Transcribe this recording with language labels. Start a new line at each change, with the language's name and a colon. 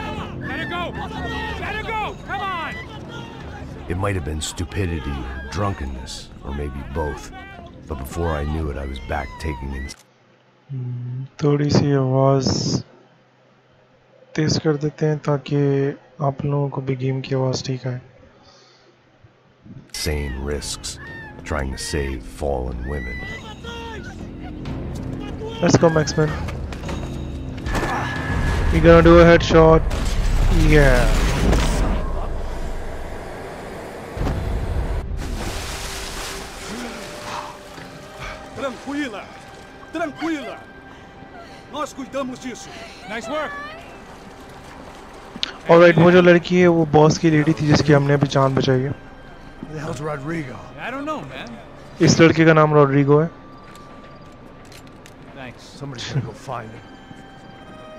English: Don't be stupid. Let her go. Come on. It might have been stupidity, drunkenness, or maybe both. But before I knew it, I was back taking in.
Hindi: थोड़ी सी आवाज़ तेज़ कर देते हैं ताकि आप लोगों को भी गेम की आवाज़ ठीक आए।
English: Same risks trying to save fallen women. Let's go, Maxman. You gonna do a headshot? Yeah.
Portuguese: Tranquila, tranquila. Nós cuidamos disso.
English: Nice work.
Hindi: All right, वो जो लड़की है वो बॉस की लेडी थी जिसकी हमने अभी जान बचाई है।
English: Where the hell's Rodrigo? I don't know, man.
Hindi: इस लड़के का नाम रोड्रिगो है।
English: Thanks. Somebody's gonna go find him.